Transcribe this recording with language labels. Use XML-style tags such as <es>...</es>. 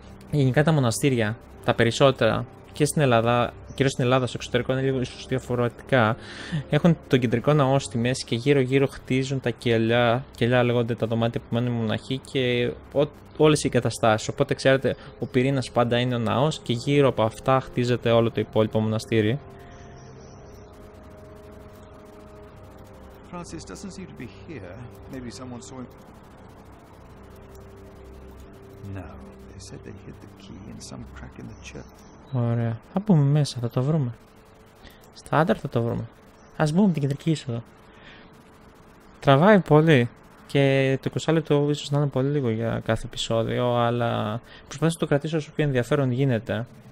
<el>Γενικά τα μοναστήρια, τα περισσότερα, και στην Ελλάδα, κυρίως στην Ελλάδα, στο εξωτερικό είναι λίγο ίσως διαφορετικά. Έχουν τον κεντρικό ναό στη μέση και γύρω-γύρω χτίζουν τα κελιά. Κελιά λέγονται τα δωμάτια που μένουν οι μοναχοί και όλες οι εγκαταστάσεις. Οπότε ξέρετε, ο πυρήνας πάντα είναι ο ναός και γύρω από αυτά χτίζεται όλο το υπόλοιπο μοναστήρι.</el> <en>Francis doesn't seem to be here. Maybe someone saw him. No, they said they hid the key in some crack in the church.</en> <el>Ωραία. Θα μπούμε μέσα, θα το βρούμε. Στάνταρ θα το βρούμε. Ας μπούμε την κεντρική είσοδο. Τραβάει πολύ και το 20 λεπτό ίσως να είναι πολύ λίγο για κάθε επεισόδιο, αλλά προσπαθώ να το κρατήσω όσο πιο ενδιαφέρον γίνεται.</el>